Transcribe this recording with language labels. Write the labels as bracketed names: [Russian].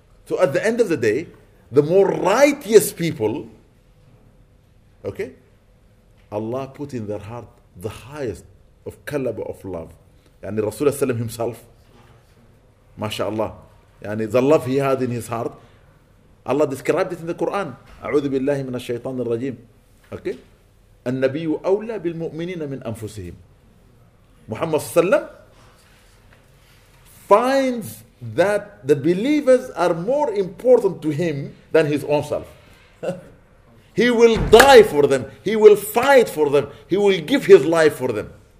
[English] So at the end of the day, the more righteous people, okay, Allah put in their heart the highest of caliber of love. And the Rasulullah himself, mashallah, yani the love he had in his heart, Allah described it in the Quran. [Arabic] أعوذ بالله من الشيطان الرجيم. [English] Okay? [Arabic] النبي أولى بالمؤمنين من أنفسهم. [English] Muhammad sallam finds that the believers are more important to him than his own self. He will die for them. He will fight for them. He will give his life for them.